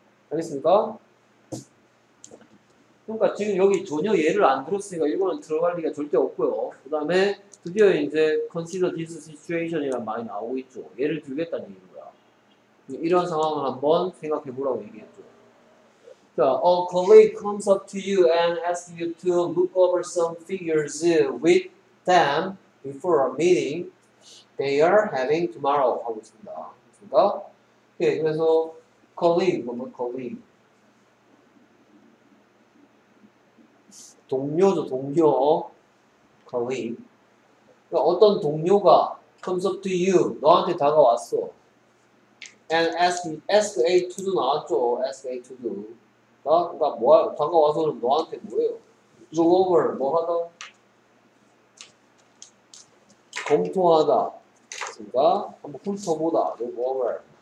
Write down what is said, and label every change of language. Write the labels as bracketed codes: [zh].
[ko] 알겠습니까? 그러니까 지금 여기 전혀 예를 안 들었으니까 이거는 들어갈 리가 절대 없고요. 그 다음에 드디어 이제 [en] consider this situation [ko] 이란 말이 나오고 있죠. 예를 들겠다는 얘기인 거야. 이런 상황을 한번 생각해 보라고 얘기했죠. [en] A colleague comes up to you and asks you to look over some figures with them before a meeting they are having tomorrow. [ko] 하고 있습니다. 그렇습니까? 오케이, 그래서 colleague, 뭐면 colleague? 동료죠, 동료. colleague. 그러니까 어떤 동료가 [en] comes up to you, [ko] 너한테 다가왔어. [en] And ask A to do 나왔죠, ask A to do. [ko] 아, 그러니까 뭐야? 다가와서는 너한테 뭐예요? [en] Look over, [ko] 뭐 하다? 검토하다, 그러니까 한번 훑어보다, [en] look over.